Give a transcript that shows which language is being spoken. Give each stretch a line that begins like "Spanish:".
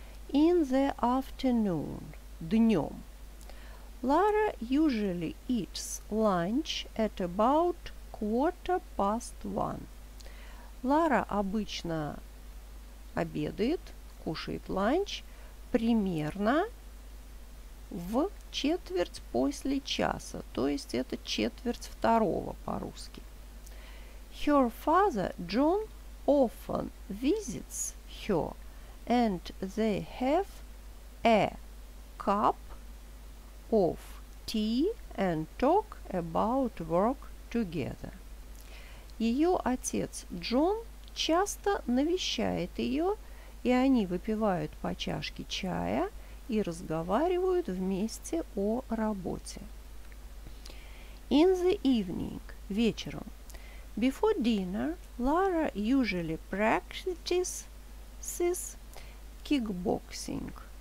English: In the afternoon.
Russian: Днём.
English: Lara usually eats lunch at about 1:15.
Russian: Лара обычно обедает, кушает ланч примерно в четверть после часа, то есть это четверть второго по-русски.
English: Her father, John, often visits her, and they have a cup of tea and talk about work together.
Russian: Ее отец Джон часто навещает ее, и они выпивают по чашке чая и разговаривают вместе о работе.
English: In the evening,
Russian: вечером.
English: Before dinner, Lara usually practices kickboxing.